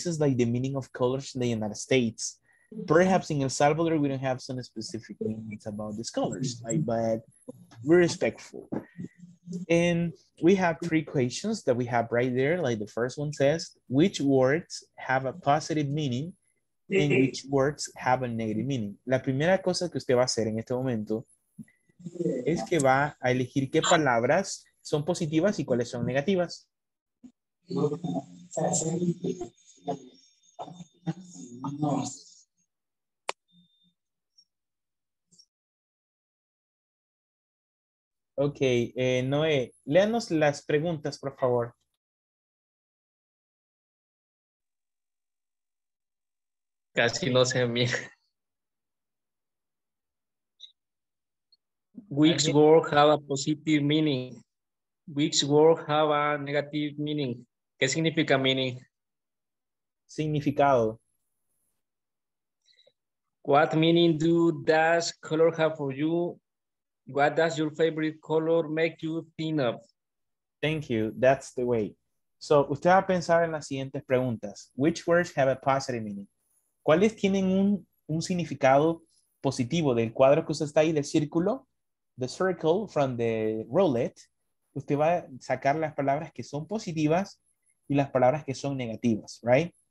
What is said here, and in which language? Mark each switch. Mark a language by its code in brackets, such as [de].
[en] This is like the meaning of colors in the United States. Perhaps in El Salvador, we don't have some specific meanings about these colors, right? But we're respectful. And we have three questions that we have right there. Like the first one says, which words have a positive meaning and which words have a negative meaning? [es] La primera cosa que usted va a hacer en este momento es que va a elegir qué palabras son positivas y cuáles son negativas. Ok, Noé, léanos las preguntas, por favor. Casi no se mira. [en] Which word have a positive meaning? Which word have a negative meaning? [es] ¿Qué significa meaning? Significado. [en] What meaning do does color have for you? What does your favorite color make you think of? Thank you. That's the way. [es] So, usted va a pensar en las siguientes preguntas. [en] Which words have a positive meaning? [es] ¿Cuáles tienen un significado positivo del cuadro que usted está ahí, del círculo? [en] The circle from the roulette. [es] Usted va a sacar las palabras que son positivas y las palabras que son negativas, right?